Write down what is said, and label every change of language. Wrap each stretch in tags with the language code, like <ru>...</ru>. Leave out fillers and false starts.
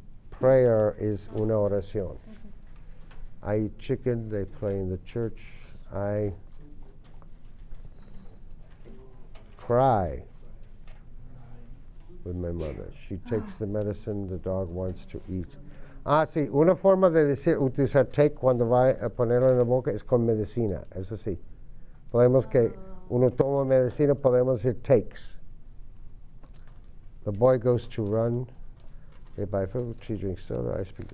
<en>Prayer is</en> <es>una oración.</es> <en>I eat chicken, they play in the church. I cry with my mother. She takes the medicine, the dog wants to eat.</en> <es>Ah, sí, una forma de decir, utilizar take cuando va a ponerlo en la boca es con medicina, eso sí. Podemos que uno toma medicina, podemos decir takes.</es> <en>The boy goes to run. They buy food, she drinks soda, I speak.</en>